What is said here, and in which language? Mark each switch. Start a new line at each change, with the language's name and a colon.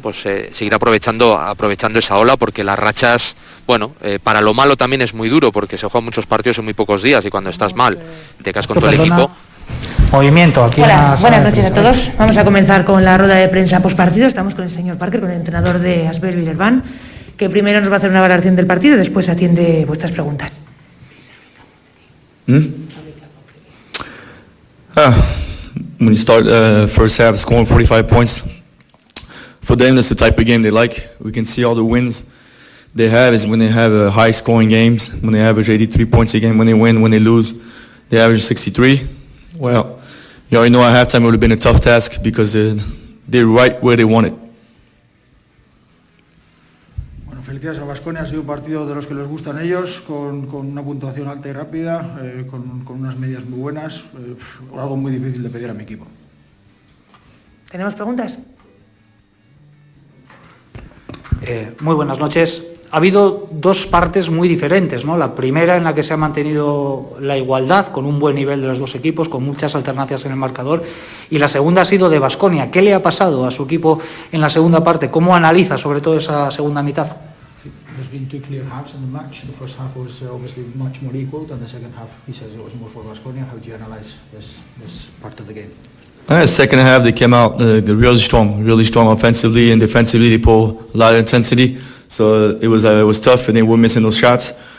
Spanish: Pues seguir aprovechando esa ola, porque las rachas, bueno, para lo malo también es muy duro, porque se juegan muchos partidos en muy pocos días y cuando estás mal te quedas con todo el equipo. Movimiento aquí. Hola, buenas noches a todos. Vamos a comenzar con la rueda de prensa postpartido. Estamos con el señor Parker, con el entrenador de Asbel Villerban, que primero nos va a hacer una valoración del partido y después atiende vuestras preguntas.
English: When you start first half scoring 45 points, for them that's the type of game they like. We can see all the wins they have is when they have high scoring games, when they average 83 points a game, when they win, when they lose, they average 63. Well, you already know at halftime would have been a tough task because they're right where they want it.
Spanish: Felicidades a Baskonia, ha sido un partido de los que les gustan ellos, con una puntuación alta y rápida, con unas medias muy buenas, algo muy difícil de pedir a mi equipo. ¿Tenemos preguntas? Muy buenas noches. Ha habido dos partes muy diferentes, ¿no? La primera en la que se ha mantenido la igualdad con un buen nivel de los dos equipos, con muchas alternancias en el marcador, y la segunda ha sido de Baskonia. ¿Qué le ha pasado a su equipo en la segunda parte? ¿Cómo analiza sobre todo esa segunda mitad?
English: There's been two clear halves in the match. The first half was obviously much more equal than the second half. He says it was more for Baskonia. How do you analyze this part of the game? Second half, they came out really strong offensively and defensively. They pulled a lot of intensity, so it was tough, and they were missing those shots.